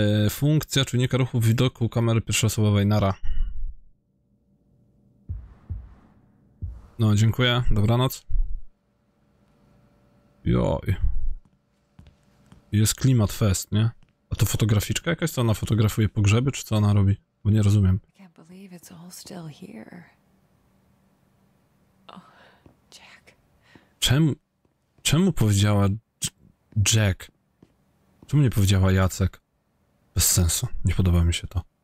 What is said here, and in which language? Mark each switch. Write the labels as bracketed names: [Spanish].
[Polish] Funkcja czujnika ruchu widoku kamery pierwszoosobowej, nara. No, dziękuję, dobranoc. Joj. Jest klimat fest, nie? A to fotograficzka jakaś, co ona fotografuje pogrzeby, czy co ona robi? Bo nie rozumiem. [English] I can't believe it's all still here. Oh, Jack. [Polish] Czemu powiedziała Jack? Czemu nie powiedziała Jacek? Bez sensu, nie podoba mi się to.